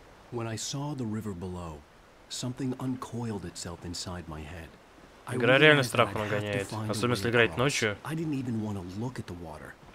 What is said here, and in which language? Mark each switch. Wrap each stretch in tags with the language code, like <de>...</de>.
<en>When I saw the river below, something uncoiled itself inside my head.</en> <ru>Игра реально страх нагоняет, особенно если играть ночью.</ru> <en>I didn't even want to look at the water.</en>